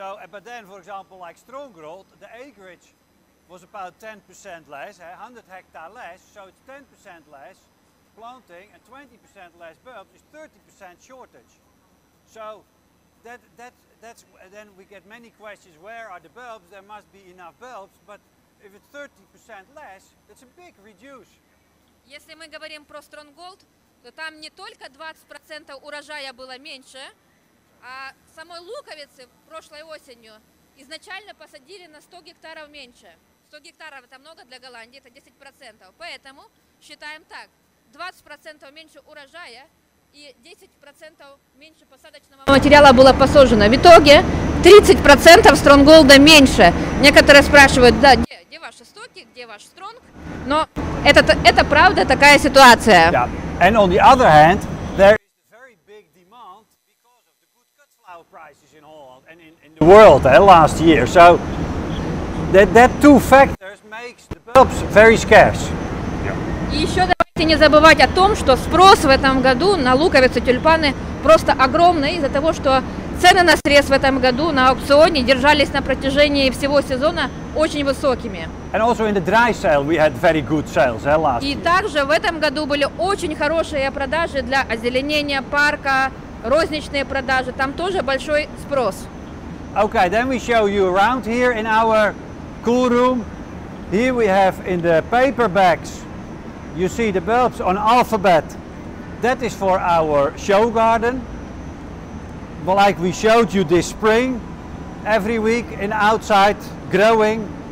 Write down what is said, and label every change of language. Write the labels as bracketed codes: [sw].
[en] But then, for example, like strong growth, the acreage was about 10% less, 100 hectare less, so it's 10% less planting and 20% less bulbs is 30% shortage. So that's then we get many questions, where are the bulbs? There must be enough bulbs, but if it's 30% less, it's a big reduce. [ru] Если мы говорим про strong growth, то там не только 20% урожая было меньше, а самой луковицы прошлой осенью изначально посадили на 100 гектаров меньше. 100 гектаров – это много для Голландии, это 10%. Поэтому считаем так, 20% меньше урожая и 10% меньше посадочного материала было посажено. В итоге 30% стронголда меньше. Некоторые спрашивают, да, где ваши стоки, где ваш стронг? Но это правда такая ситуация. [en] Yeah. And on the other hand, there is a very big demand because of the good cut flower prices in Holland and in the world last year. So that two factors makes the bulbs very scarce. Yeah. [ru] И еще давайте не забывать о том, что спрос в этом году на луковицы, тюльпаны просто огромный из-за того, что цены на срез в этом году на аукционе держались на протяжении всего сезона очень высокими. [en] And also in the dry sale we had very good sales last year. [ru] И также в этом году были очень хорошие продажи для озеленения парка, розничные продажи, там тоже большой спрос. [en] Okay, then we show you around here in our cool room. Here we have in the paper bags, you see the bulbs on alphabet. That is for our show garden. But like we showed you this spring, every week in outside growing.